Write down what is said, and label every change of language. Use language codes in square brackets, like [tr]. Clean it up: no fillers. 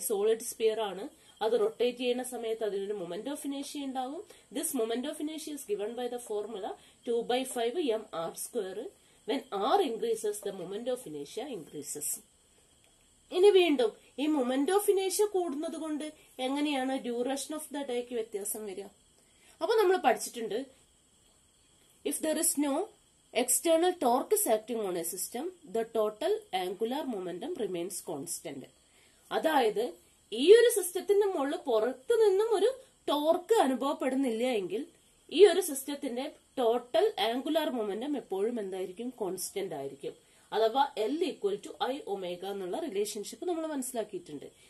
[ml] Solid sphere ആണ്, അത് rotate ചെയ്യുന്ന സമയത്ത് അതിനൊരു മൊമെന്റ് ഓഫ് ഇനേഷ്യ ഉണ്ടാകും. [en] This moment of ഇനേഷ്യ is given by the formula 2/5 mR² when R increases the moment of ഇനേഷ്യ increases. [ml] ഇനി വീണ്ടും ഈ മൊമെന്റ് ഓഫ് ഇനേഷ്യ കൂടുന്നത് കൊണ്ട് എങ്ങനെയാണ് ഡ്യൂറേഷൻ ഓഫ് ദ ഡേക്ക് വ്യത്യാസം വരിക? അപ്പൊ നമ്മൾ പഠിച്ചിട്ടുണ്ട്, [en] if there is no external torque is acting on a system, the total angular momentum remains constant. [ml] അതായത് ഈ ഒരു സിസ്റ്റത്തിന്റെ മുകളിൽ പുറത്തു നിന്നും ഒരു ടോർക്ക് അനുഭവപ്പെടുന്നില്ല എങ്കിൽ ഈ ഒരു സിസ്റ്റത്തിന്റെ ടോട്ടൽ ആംഗുലാർ മൊമെന്റം എപ്പോഴും എന്തായിരിക്കും? കോൺസ്റ്റന്റ് ആയിരിക്കും. അഥവാ L=I ω എന്നുള്ള റിലേഷൻഷിപ്പ് നമ്മൾ മനസ്സിലാക്കിയിട്ടുണ്ട്.